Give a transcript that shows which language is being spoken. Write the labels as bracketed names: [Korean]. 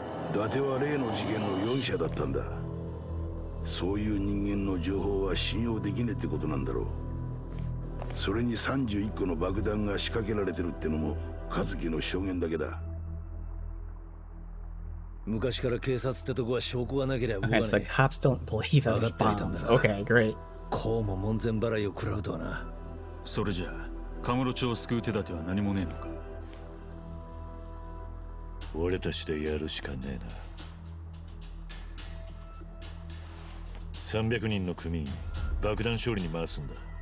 [Japanese] 伊達は例の事件の容疑者だったんだ。そういう人間の情報は信用できねえってことなんだろう。それに31個の爆弾が仕掛けられてるってのも和樹の証言だけだ。昔から警察ってとこは証拠がなければ動かない。 [English] Okay, it's like cops don't believe that there's bombs. [Japanese] 分かっていたんだ。 [English] Okay, great. [Japanese] こうも門前払いを食らうとはな。それじゃ、カムロ町を救う手立ては何もねえのか。俺たちでやるしかねえな。 300人の組員、爆弾処理に回すんだ。